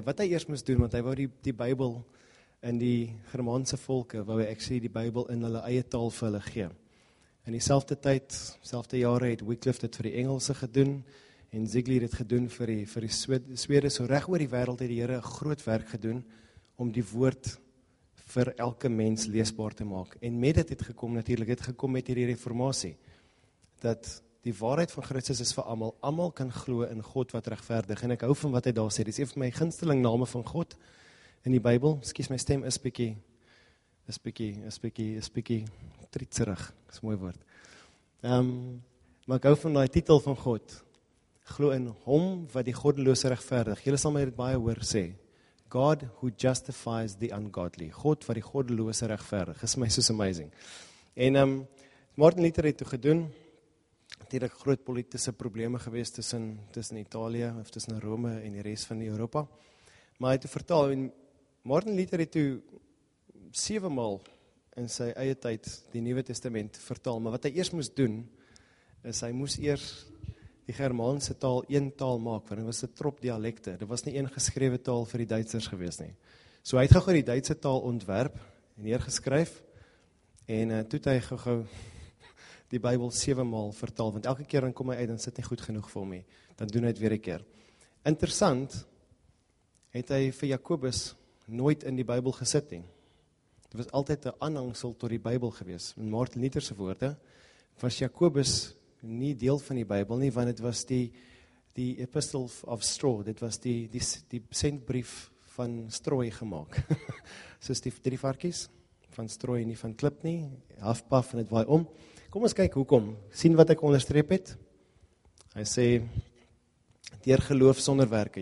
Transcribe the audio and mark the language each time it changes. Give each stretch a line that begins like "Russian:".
Afrikaans: Wat hy eerst moes doen, want hy wou die Bybel in die Germaanse volke, wou hy actually die Bybel in hulle eie taal vir hulle gee. In dieselfde tyd, dieselfde jare het Wycliffe dit vir die Engelse gedoen, en Zwingli het gedoen vir die Swede, so reg oor die wêreld het die Here 'n groot werk gedoen om die woord vir elke mens leesbaar te maak. En met dit het gekom, natuurlik het gekom met hierdie reformatie, dat die waarheid van Christus is vir almal. Almal kan glo in God wat regverdig, en ek hou van wat hy daar sê. Dit is een van my gunsteling name van God in die Bybel. Skies, my stem is bietjie tritserig, is mooi woord. Maar ek hou van die titel van God. Glo in hom wat die goddelose regverdig. Julle sal my dit baie hoor sê.
English: God who justifies the ungodly.
Afrikaans: God wat die goddelose regverdig. Is my soos amazing. En Martin Luther het toe gedoen, natuurlik groot politieke probleme gewees tussen Italië of tussen Rome en die res van die Europa. Maar hy het vertaal, en Martin Luther het toe 7 maal in sy eie tyd die Nuwe Testament vertaal. Maar wat hy eerst moes doen, is hy moes eerst die Germaanse taal een taal maak, want dit was 'n trop dialekte. Dit was nie een geskrewe taal vir die Duitsers gewees nie. So hy het gou die Duitse taal ontwerp en neergeskryf, en toe het hy gou die Bybel 7 maal vertaal, want elke keer dan kom hy uit en sit nie goed genoeg vir hom nie. Dan doen hy dit weer 'n keer. Interessant, het hy vir Jakobus nooit in die Bybel gesit nie. Dit was altyd 'n aanhangsel tot die Bybel gewees. In Martin Luther se woorde was Jakobus nie deel van die Bybel nie, want het was die
English: epistle of straw,
Afrikaans: dit was die sendbrief van strooi gemaakt. Soos die drie varkies, van strooi, nie van klip nie, afpaf en het waai om. Kom ons kyk hoekom, sien wat ek onderstreep het. Hy sê, deur geloof sonder werke.